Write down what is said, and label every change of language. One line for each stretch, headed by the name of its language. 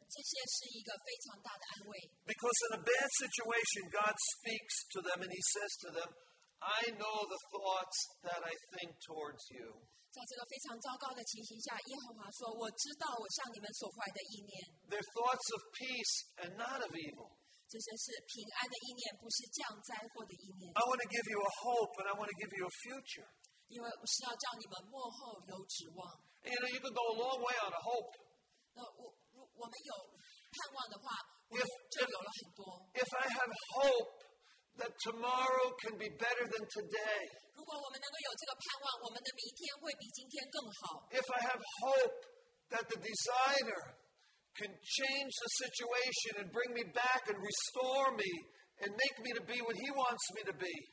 Chinese: 对我们这些想要跟随神走神的道路的人，这些是一个非常大的安慰。
English: Because in a bad situation, God speaks to them and He says to them, I know the thoughts that I think towards you.
Chinese: 在这个非常糟糕的情形下，耶和华说：“我知道我向你们所怀的意念。”Their
English: thoughts of peace and not of evil.
Chinese: 这些是平安的意念，不是降灾祸的意念。I
English: want to give you a hope, and I want to give you a future.
Chinese: 因为是要叫你们末后有指望。You
English: know, you could go a long way on a hope.
Chinese: 那我们有盼望的话，就有了很多。If
English: I have hope that tomorrow can be better than today. If I have hope that the designer can change the situation and bring me back and restore me and make me to be what he wants me to be.